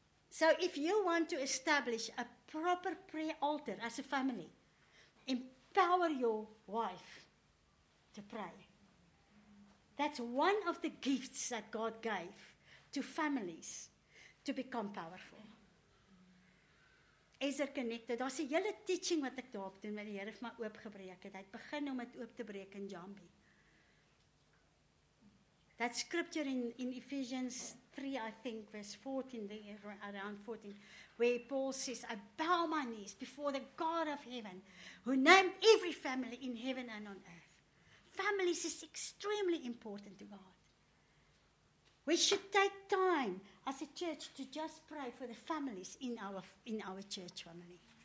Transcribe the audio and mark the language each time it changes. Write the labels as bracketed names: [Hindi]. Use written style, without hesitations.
[English] So if you want to establish a proper prayer altar as a family, empower your wife to pray. That's one of the gifts that God gave to families to become powerful. Ezer connected. [Afrikaans] Daar's 'n hele teaching wat ek daarop doen, wat die Here vir my oopgebreek het. Hy het begin om dit oop te breek in Jambi. [English] That scripture in Ephesians 3, I think, verse 14, around 14, where Paul says, I bow my knees before the God of heaven, who named every family in heaven and on earth. Families is extremely important to God. We should take time as a church to just pray for the families in our church family.